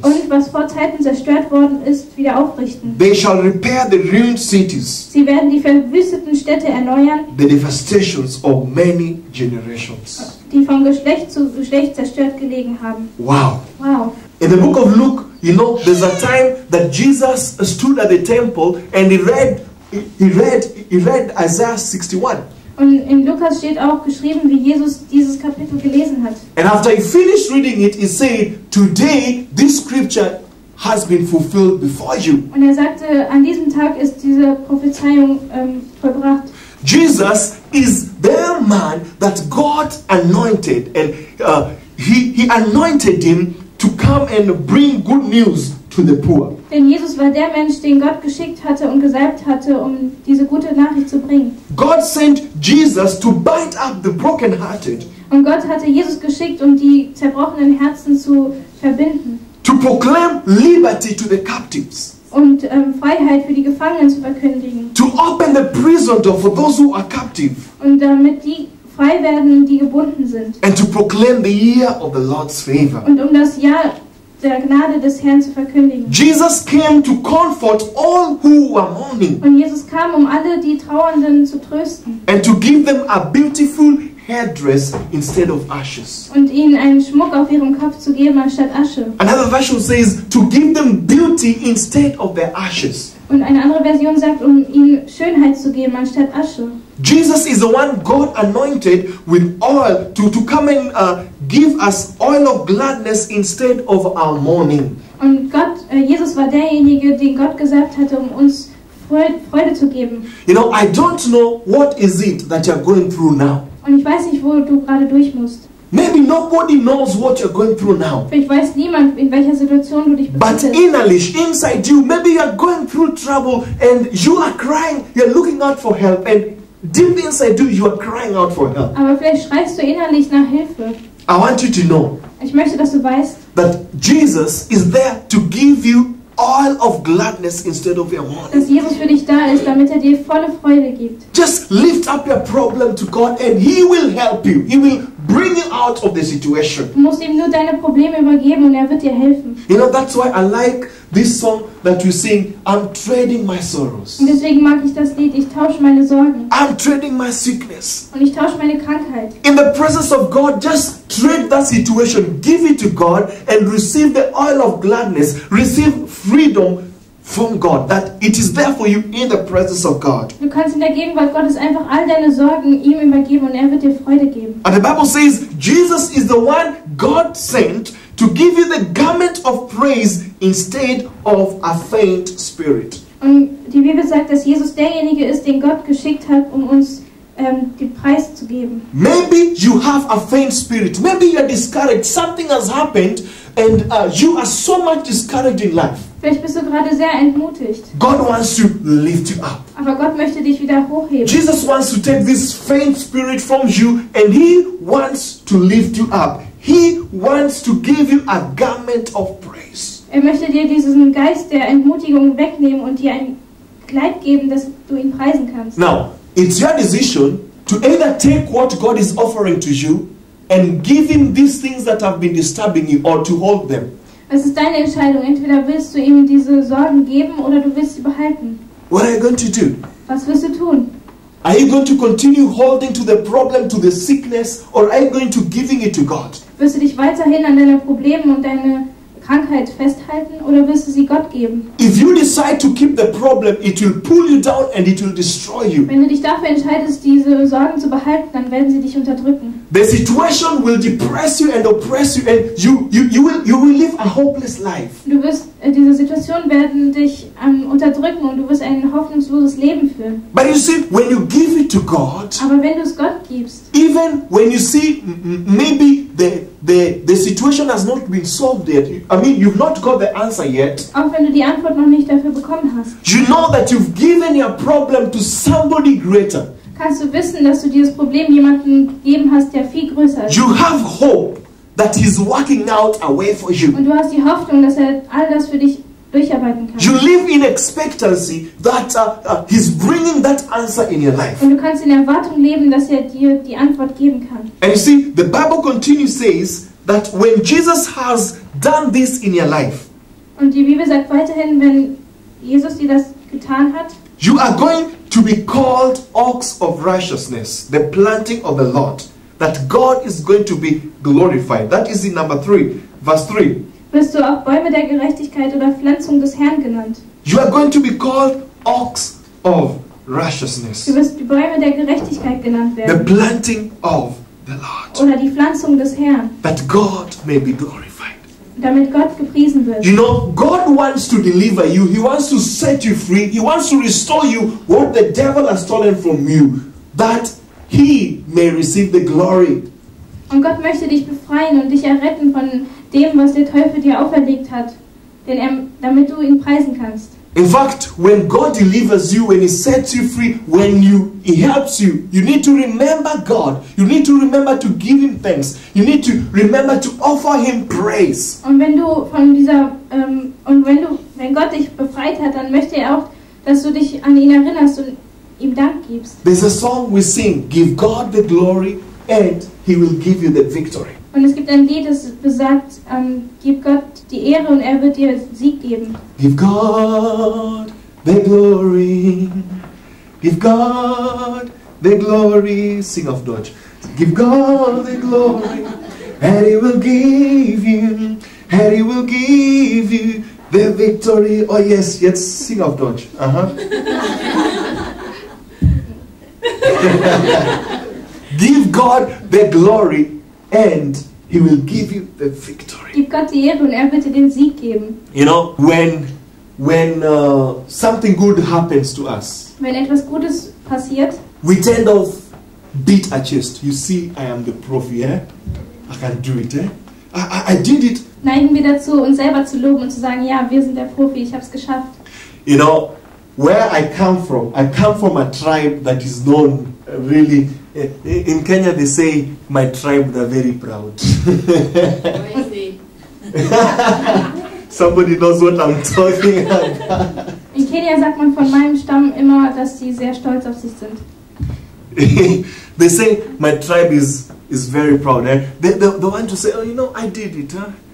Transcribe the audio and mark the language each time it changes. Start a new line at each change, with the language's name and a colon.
German: Und was vor Zeiten zerstört worden ist, wieder aufrichten.
English: They shall repair the ruined cities.
German: Sie werden die verwüsteten Städte erneuern.
English: The devastations of many generations.
German: Die von Geschlecht zu Geschlecht zerstört gelegen haben.
English: Wow. Wow. In the book of Luke, you know, there's a time that Jesus stood at the temple and he read Isaiah 61.
German: Und in Lukas steht auch geschrieben, wie Jesus dieses Kapitel gelesen hat.
English: And after he finished reading it, he said, "Today this scripture has been fulfilled before you."
German: Und er sagte, an diesem Tag ist diese Prophezeiung vollbracht.
English: Jesus is the man that God anointed, and he anointed him to come and bring good news to the poor.
German: Denn Jesus war der Mensch, den Gott geschickt hatte und gesalbt hatte, um diese gute Nachricht zu bringen.
English: God sent Jesus to bind up the brokenhearted.
German: Und Gott hatte Jesus geschickt, um die zerbrochenen Herzen zu verbinden.
English: To proclaim liberty to the captives.
German: Und Freiheit für die Gefangenen zu verkündigen.
English: To open the prison door for those who are captive.
German: Und damit die frei werden, die gebunden sind.
English: And to proclaim the year of the Lord's favor.
German: Und um das Jahr der Gnade des Herrn zu verkündigen.
English: Jesus came to comfort all who were mourning.
German: Und Jesus kam, um alle die Trauernden zu trösten.
English: And to give them a beautiful headdress instead of ashes.
German: Und ihnen einen Schmuck auf ihrem Kopf zu geben anstatt Asche.
English: Another version says to give them beauty instead of their ashes.
German: Und eine andere Version sagt, um ihnen Schönheit zu geben anstatt Asche.
English: Jesus is the one God anointed with oil to come and give us oil of gladness instead of our mourning.
German: Und Gott, Jesus war derjenige, den Gott gesalbt hatte, um uns Freude zu geben.
English: You know, I don't know what is it that you're going through now.
German: Und ich weiß nicht, wo du gerade durch musst.
English: Maybe nobody knows what you're going through now.
German: Ich weiß niemand, in welcher Situation du dich befindest.
English: But innerly, inside you, maybe you're going through trouble and you are crying, you're looking out for help and deep inside you are crying out for help.
German: Aber vielleicht schreist du innerlich nach Hilfe.
English: I want you to know.
German: Ich möchte, dass du weißt.
English: That Jesus is there to give you all of gladness instead of your mourning.
German: Dass Jesus für dich da ist, damit er dir volle Freude gibt.
English: Just lift up your problem to God and he will help you. He will bring you out of the situation.
German: Du musst ihm nur deine Probleme übergeben und er wird dir helfen.
English: You know, that's why I like this song that we sing, I'm trading my sorrows.
German: Und deswegen mag ich das Lied, ich tausche meine Sorgen.
English: I'm trading my sickness.
German: Und ich tausche meine Krankheit.
English: In the presence of God, just trade that situation. Give it to God and receive the oil of gladness. Receive freedom from God, that it is there for you in the presence of God.
German: Du kannst in der Gegenwart Gottes einfach all deine Sorgen ihm übergeben und er wird dir Freude geben.
English: And the Bible says, Jesus is the one God sent to give you the garment of praise instead of a faint spirit.
German: Und die Bibel sagt, dass Jesus derjenige ist, den Gott geschickt hat, um uns den Preis zu geben.
English: Maybe you have a faint spirit. Maybe you are discouraged. Something has happened and you are so much discouraged in life.
German: Vielleicht bist du gerade sehr entmutigt.
English: God wants to lift you up.
German: Aber Gott möchte dich wieder hochheben.
English: Jesus wants to take this faint spirit from you and he wants to lift you up. He wants to give you a garment of praise.
German: Er möchte dir diesen Geist der Entmutigung wegnehmen und dir ein Kleid geben, dass du ihn preisen kannst.
English: Now, it's your decision to either take what God is offering to you and give him these things that have been disturbing you or to hold them.
German: Es ist deine Entscheidung. Entweder willst du ihm diese Sorgen geben oder du willst sie behalten.
English: What are you going to do?
German: Was wirst du tun?
English: Are you going to continue holding to the problem, to the sickness, or are you going to giving it to God?
German: Wirst du dich weiterhin an deine Probleme und deine Krankheit festhalten oder wirst du sie Gott geben?
English: If you decide to keep the problem, it will pull you down and it will destroy you.
German: Wenn du dich dafür entscheidest, diese Sorgen zu behalten, dann werden sie dich unterdrücken.
English: The situation will depress you and oppress you and you will live a hopeless life.
German: Du wirst diese Situation werden dich unterdrücken und du wirst ein hoffnungsloses Leben führen.
English: But you see, when you give it to God,
German: aber wenn du es Gott gibst,
English: even when you see maybe the situation has not been solved yet, I mean you've not got the answer yet,
German: auch wenn du die Antwort noch nicht dafür bekommen hast,
English: you know that you've given your problem to somebody greater.
German: Kannst du wissen, dass du dieses Problem jemanden gegeben hast, der viel größer ist?
English: You have hope that he's working out a way for you.
German: Und du hast die Hoffnung, dass er all das für dich durcharbeiten kann.
English: You live in expectancy that he's bringing that answer in your life.
German: Und du kannst in Erwartung leben, dass er dir die Antwort geben kann.
English: And you see, the Bible continues says that when Jesus has done this in your life,
German: und die Bibel sagt weiterhin, wenn Jesus dir das getan hat,
English: you are going to be called oaks of righteousness, the planting of the Lord, that God is going to be glorified. That is in number 3, verse 3.
German: Wirst du auch Bäume der Gerechtigkeit oder Pflanzung des Herrn genannt?
English: You are going to be called oaks of righteousness.
German: Du wirst Bäume der Gerechtigkeit genannt werden.
English: The planting of the Lord.
German: Oder die Pflanzung des Herrn.
English: That God may be glorified.
German: Damit Gott gepriesen wird.
English: You know, God wants to deliver you. He wants to set you free. He wants to restore you what the devil has stolen from you. That He may receive the glory.
German: Und Gott möchte dich befreien und dich erretten von dem, was der Teufel dir auferlegt hat, damit du ihn preisen kannst.
English: In fact, when God delivers you, when He sets you free, when He helps you, you need to remember God. You need to remember to give Him thanks. You need to remember to offer Him praise.
German: Und wenn du wenn Gott dich befreit hat, dann möchte er auch, dass du dich an ihn erinnerst und ihm Dank gibst.
English: There's a song we sing, give God the glory and he will give you the victory.
German: Und es gibt ein Lied, das besagt, gib Gott die Ehre und er wird dir Sieg geben.
English: Give God the glory. Give God the glory.
German: Sing auf Deutsch.
English: Give God the glory and he will give you, and he will give you the victory. Oh yes,
German: jetzt sing auf Deutsch.
English: Give God the glory and he will give you the victory.
German: Gib Gott die Ehre und er wird dir den Sieg geben.
English: You know, when something good happens to us,
German: wenn etwas Gutes passiert,
English: we tend to beat our chest. You see, I am the prophet, I can do it, I did it.
German: Neigen wir dazu, uns selber zu loben und zu sagen, ja, wir sind der Profi, ich hab's geschafft.
English: You know, where I come from a tribe that is known really. In Kenya, they say my tribe they're very proud. Somebody knows what I'm talking about.
German: In Kenya, sagt man von meinem Stamm immer, dass sie sehr stolz auf sich sind.
English: They say my tribe is very proud. They want to say, oh, you know, I did it, huh?